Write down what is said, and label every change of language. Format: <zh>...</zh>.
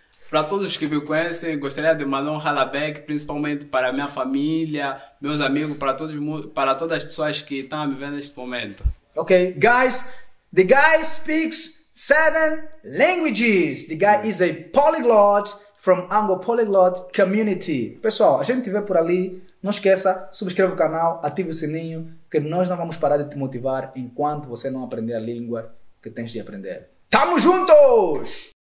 <pt>Para todos que me conhecem, gostaria de mandar um halabek, principalmente para minha família, meus amigos, para todas as pessoas que estão me vendo neste momento.</pt> <en>Ok, guys, the guy speaks 7 languages. The guy is a polyglot from Anglo Polyglot Community.</en> <pt>Pessoal, a gente vê por ali, não esqueça, subscreva o canal, ative o sininho, que nós não vamos parar de te motivar enquanto você não aprender a língua que tens de aprender. Tamo juntos!</pt>